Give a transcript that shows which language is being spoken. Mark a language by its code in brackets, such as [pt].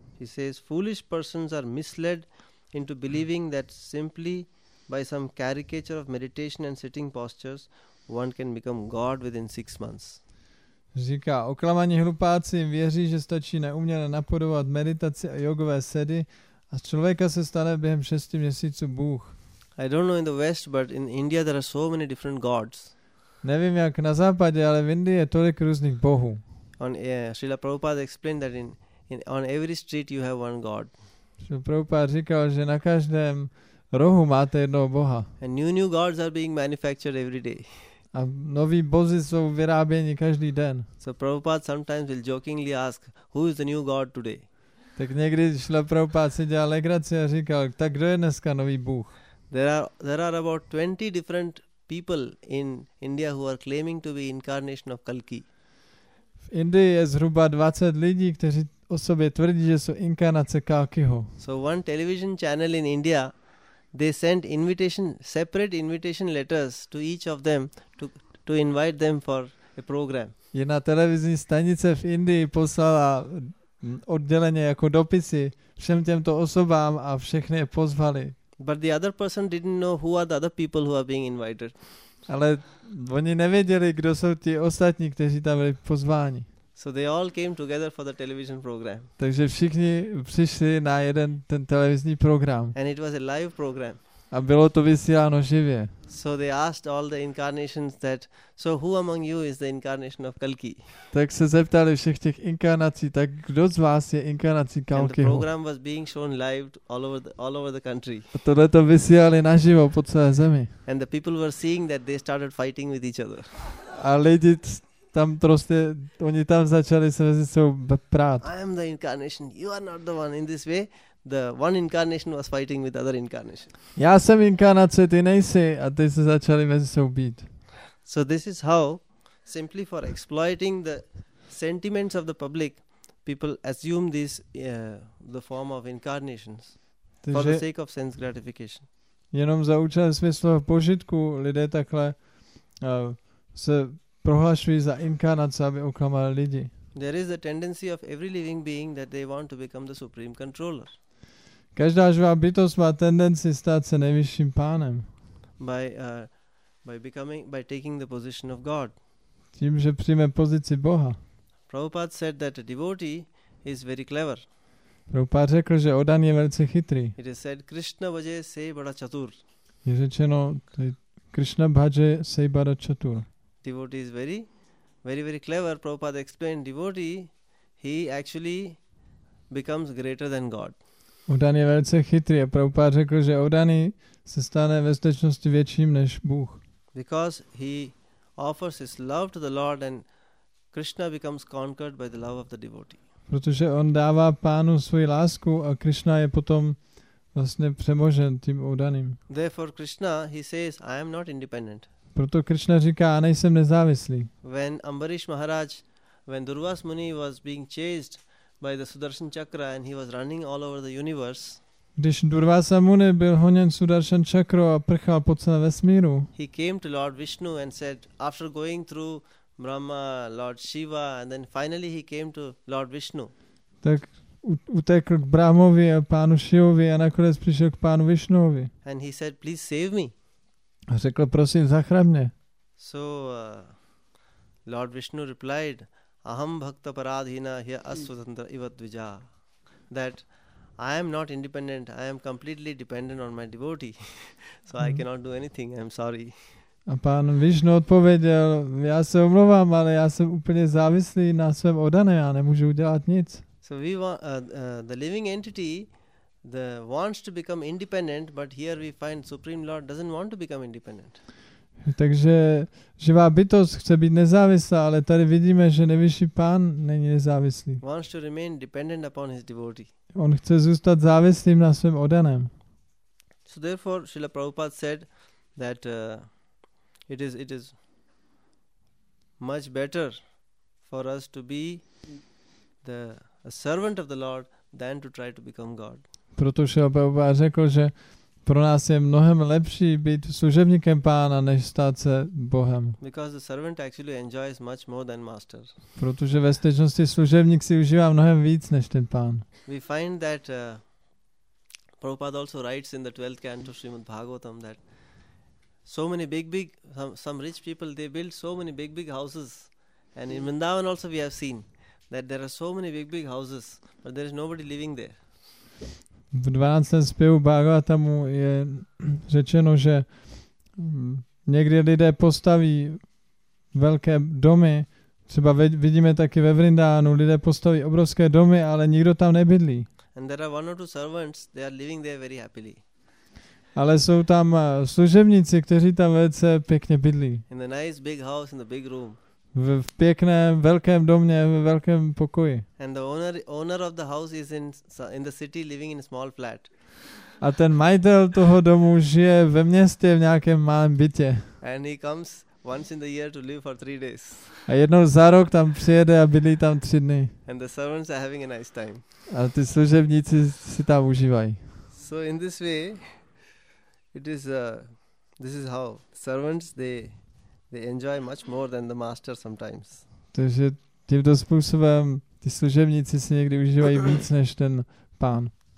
[en] He says foolish persons are misled into believing that simply by some caricature of meditation and sitting postures one can become God within 6 months. [cs] Říká, oklamaní hlupáci jim věří, že stačí neuměle napodobovat meditaci a jogové sedy a z člověka se stane během 6 měsíců Bůh. [en] I don't know in the West, but in India there are so many different gods. [cs] Nevím jak na západě, ale v Indii je tolik různých bohů. [en] Srila Prabhupada explained that on every street you have one god. [cs] Srila Prabhupada říkal, že na každém rohu máte jednoho boha. [en] And new gods are being manufactured every day. [cs] A noví bozy jsou vyráběni každý den. [en] So Prabhupada sometimes will jokingly ask, who is the new god today? [cs] Tak někdy Srila Prabhupada si dělal legraci a říkal, tak kdo je dneska nový bůh? [en] There are about 20 different people in India who are claiming to be incarnation of Kalki. [cs] V Indii je zhruba 20 lidí, kteří o sobě tvrdí, že jsou inkarnace Kalkiho. [en] So one television channel in India, they sent separate invitation letters to each of them to invite them for a program. [cs] Jedna televizní stanice v Indii poslala odděleně jako dopisy všem těmto osobám a všechny je pozvali. [en] But the other person didn't know who are the other people who are being invited. [cs] Ale oni nevěděli, kdo jsou ti ostatní, kteří tam byli pozváni. [en] So they all came together for the television program. [cs] Takže všichni přišli na jeden ten televizní program. [en] And it was a live program. [cs] A bylo to vysíláno živě. [en] So they asked all the incarnations so who among you is the incarnation of Kalki? [cs] Tak se zeptali všech těch inkarnací, tak kdo z vás je inkarnací Kalkiho? [en] And the program was being shown live all over the country. [cs] A tohle to vysílali naživo po celé zemi. [en] And the people were seeing that they started fighting with each other. [cs] A lidi tam prostě, oni tam začali se mezi sebou prát. [en] I am the incarnation, you are not the one in this way. The one incarnation was fighting with other incarnation. [cs] Já jsem inkarnace, ty nejsi, a ty se začali mezi sebou bít. [en] So this is how, simply for exploiting the sentiments of the public, people assume this the form of incarnations. [cs] Takže [en] for the sake of sense gratification. [cs] Jenom za účelem smyslového požitku lidé takhle se prohlašují za inkarnace, aby oklamali lidi. [en] There is a tendency of every living being that they want to become the supreme controller. [cs] Každá živá bytost má tendenci stát se nejvyšším pánem. [en] By taking the position of God. [cs] Tím, že přijme pozici Boha. [en] Prabhupada said that a devotee is very clever. [cs] Prabhupada řekl, že oddaný je velice chytrý. [en] It is said [bn] Krishna bhaje se bada chatur. [cs] Je řečeno, [bn] Krishna bhaje se bada chatur. [en] Devotee is very, very, very clever. Prabhupada explained, devotee, he actually becomes greater than God. [cs] Oddaný je velice chytrý a Prabhupada řekl, že oddaný se stane ve skutečnosti větším než Bůh. [en] Because he offers his love to the Lord and Krishna becomes conquered by the love of the devotee. [cs] Protože on dává pánu svoji lásku a Krishna je potom vlastně přemožen tím oddaným. [en] Therefore Krishna, he says, I am not independent. [cs] Proto Krishna říká, já nejsem nezávislý. [en] When Ambarish Maharaj, when Durvas Muni was being chased by the Sudarshan Chakra and he was running all over the universe. [cs] Když Durvasa Muni byl honěn Sudarshan Chakra a prchal po celém vesmíru. [en] He came to Lord Vishnu and said, after going through Brahma, Lord Shiva, and then finally he came to Lord Vishnu. [cs] Tak utekl k Brahmovi a pánu Shivovi a nakonec přišel k pánu Vishnuovi. [en] And he said, please save me. [cs] A řekl, prosím, zachraň mě. [en] So Lord Vishnu replied, [sa] Aham bhakta paradhina hya asvatantra ivadvija. [en] That I am not independent, I am completely dependent on my devotee. So I cannot do anything, I am sorry. [cs] A pán Vishnu odpověděl, já se omlouvám, ale já jsem úplně závislý na svém odaném, já nemůžu udělat nic. [en] So we the living entity that wants to become independent, but here we find Supreme Lord doesn't want to become independent. [cs] Takže živá bytost chce být nezávislá, ale tady vidíme, že nejvyšší pán není nezávislý. [en] Wants to remain dependent upon his devotee. [cs] On chce zůstat závislým na svém oddaném. [en] So therefore Srila Prabhupada said that it is much better for us to be a servant of the Lord than to try to become God. [cs] Proto Srila Prabhupada řekl, že Pro nás je mnohem lepší být služebníkem pána, než stát se Bohem. [en] Because the servant actually enjoys much more than master. [cs] Protože ve skutečnosti služebník si užívá mnohem víc než ten pán. [en] We find that Prabhupada also writes in the 12th canto Srimad Bhagavatam that so many some rich people, they build so many big houses. And in Vrindavan also we have seen that there are so many big houses, but there is nobody living there. [cs] V 12. zpěvu Bhagavatamu je řečeno, že někdy lidé postaví velké domy, třeba vidíme taky ve Vrindánu, lidé postaví obrovské domy, ale nikdo tam nebydlí. [en] And there are one or two servants, they are living there very happily. [cs] Ale jsou tam služebníci, kteří tam velice pěkně bydlí. [en] In the nice big house, in the big room. [cs] V pěkném velkém domě, v velkém pokoji. [en] And the owner of the house is in the city living in a small flat. [cs] A ten majitel toho domu žije ve městě v nějakém malém bytě. [en] And he comes once in the year to live for 3 days. [cs] A jednou za rok tam přijede a bydlí tam 3 dny. [en] And the servants are having a nice time. [cs] A ty služebníci si tam užívají. [en] So in this way this is how servants they enjoy much more than the master sometimes. [cs] Takže tímto způsobem ty služebníci si někdy užívají víc než ten pán.